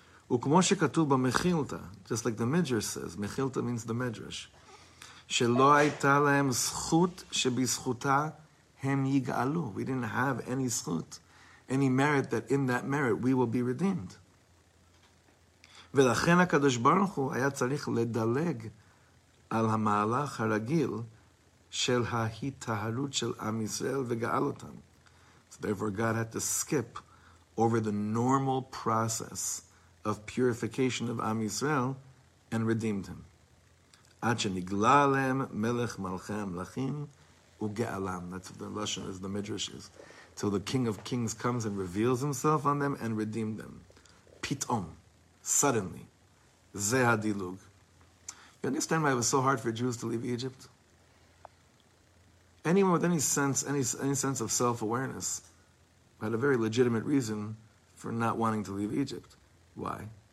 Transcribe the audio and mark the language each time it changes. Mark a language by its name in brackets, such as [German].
[English] Ukmo shkatuv bamechilta, just like the Midrash says. Mechilta means the Midrash. Shelo hayta lahem zchut shebizchuta hem yigalu. We didn't have any zchut, any merit that in that merit we will be redeemed. [Hebrew] ולכן הקדוש ברוך הוא היה צריך לדלג על המהלך הרגיל של ההתהלות של עם ישראל וגאל אותם. [English] So therefore God had to skip over the normal process of purification of עם ישראל and redeemed him. [Hebrew] עד שנגלה להם מלך מלכי המלכים וגאלם. [English] That's what the Lashon is, the Midrash is. Till the King of Kings comes and reveals himself on them and redeemed them. Pitom. Suddenly, ze hadilug. You understand why it was so hard for Jews to leave Egypt? Anyone with any sense of self-awareness had a very legitimate reason for not wanting to leave Egypt. Why?